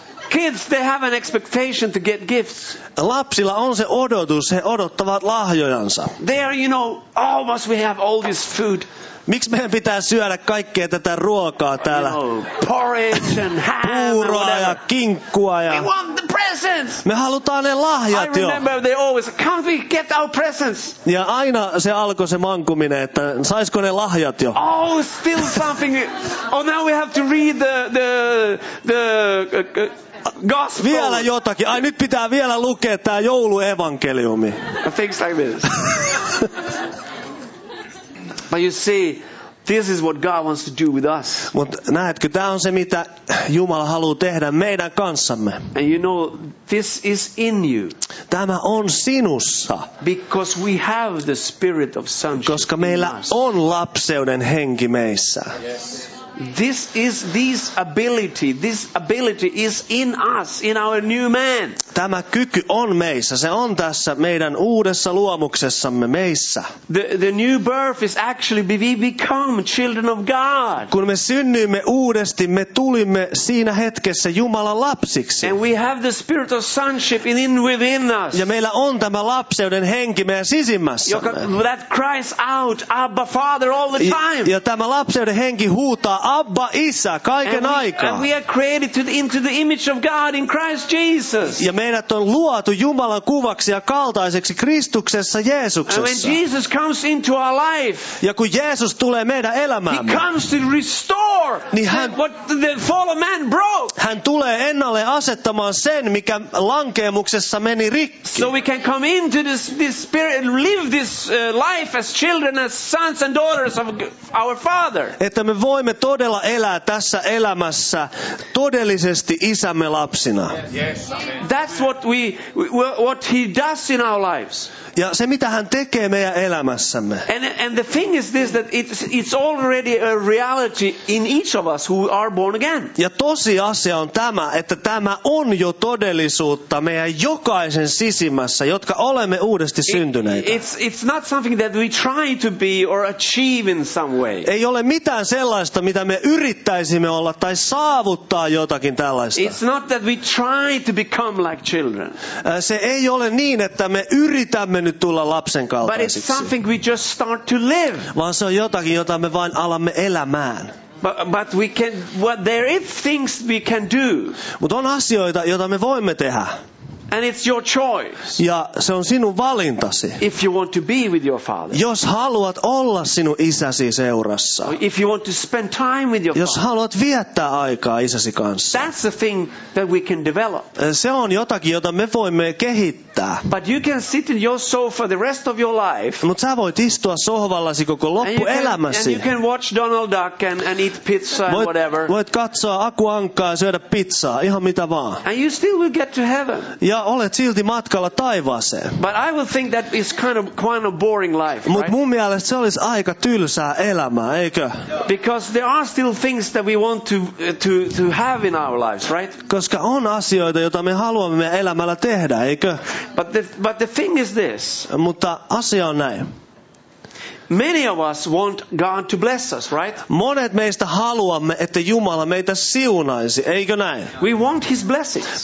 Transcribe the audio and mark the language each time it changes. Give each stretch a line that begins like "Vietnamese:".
English: Kids, they have an expectation to get gifts.
Finnish: Lapsilla on se odotus, he odottavat lahjojansa.
English: They are, you know, almost we have all this food.
Finnish: Miksi meidän pitää syödä kaikkea tätä ruokaa täällä?
English: You know, porridge and ham.
Finnish: Puuroa ja kinkkua ja.
English: We want the presents.
Finnish: Me halutaan ne lahjat jo.
English: I remember they always, can't we get our presents?
Finnish: Ja aina se alkoi se mankuminen, että saisiko ne lahjat jo?
English: Oh, still something. Oh, now we have to read the gospel.
Finnish: Vielä jotakin. Ai nyt pitää vielä lukea tää jouluevankeliumi.
English: Things like this. But you see, this is what God wants to do with us.
Finnish: Mut näetkö, tää on se mitä Jumala haluaa tehdä meidän kanssamme.
English: And you know, this is in you.
Finnish: Tämä on sinussa.
English: Because we have the spirit of sonship.
Finnish: Koska meillä on lapseuden henki meissä.
English: This ability is in us, in our new man.
Finnish: Tämä kyky on meissä. Se on tässä meidän uudessa luomuksessamme meissä.
English: The new birth is actually we become children of God.
Finnish: Kun me synnyimme uudesti, me tulimme siinä hetkessä Jumalan lapsiksi.
English: And we have the spirit of sonship within us.
Finnish: Ja meillä on tämä lapseuden henki meidän sisimmässämme. Joka,
English: that cries out, Abba Father, all the time.
Finnish: Ja tämä lapseuden henki huutaa Abba Isä kaiken aikaa.
English: And we are created into the image of God in Christ Jesus.
Finnish: Ja meidät on luotu Jumalan kuvaksi ja kaltaiseksi Kristuksessa Jeesuksessa.
English: And when Jesus comes into our life,
Finnish: ja kun Jeesus tulee meidän elämäämme,
English: he comes to restore
Finnish: niin hän,
English: what the fallen man broke.
Finnish: Hän tulee ennalle asettamaan sen, mikä lankeemuksessa meni rikki.
English: So we can come into this spirit and live this life as children, as sons and daughters of our Father.
Finnish: Että me voimme todella elää tässä elämässä todellisesti isämme lapsina.
English: Yes, amen. That's what he does in our lives.
Finnish: Ja se mitä hän tekee meidän elämässämme.
English: And the thing is this, that it's already a reality in each of us who are born again.
Finnish: Ja tosiasia on tämä, että tämä on jo todellisuutta meidän jokaisen sisimmässä, jotka olemme uudesti syntyneitä.
English: It's not something that we try to be or achieve in some way.
Finnish: Ei ole mitään sellaista, mitä me yrittäisimme olla tai saavuttaa jotakin tällaista.
English: It's not that we try to become like children.
Finnish: Se ei ole niin, että me yritämme nyt tulla lapsen kaltaisiksi.
English: But it's something we just start to live.
Finnish: Vaan se on jotakin, jota me vain alamme elämään.
English: But we can, well, there is things we can do.
Finnish: Mut on asioita, joita me voimme tehdä.
English: And it's your choice.
Finnish: Ja se on sinun valintasi.
English: If you want to be with your father.
Finnish: Jos haluat olla sinun isäsi seurassa.
English: If you want to spend time with your
Finnish: Jos haluat viettää aikaa isäsi kanssa.
English: That's the thing that we can develop.
Finnish: Se on jotakin, jota me voimme kehittää.
English: But you can sit in your sofa the rest of your life.
Finnish: Mut sä voit istua sohvallasi koko loppuelämäsi.
English: And you can watch Donald Duck and eat pizza and whatever.
Finnish: Voit katsoa Akuankkaa ja syödä pizzaa, ihan mitä vaan.
English: And you still will get to heaven.
Finnish: Ja olet silti matkalla taivaaseen.
English: But I would think that is kind of boring life.
Finnish: Mut
English: right?
Finnish: Mun mielestä se olisi aika tylsää elämää, eikö?
English: Because there are still things that we want to have in our lives, right?
Finnish: Koska on asioita, joita me haluamme meidän elämällä tehdä, eikö?
English: But the thing is this.
Finnish: Mutta asia on näin.
English: Many of us want God to bless us, right?
Finnish: Monet meistä haluamme, että Jumala meitä siunaisi, eikö näin?
English: We want his blessings.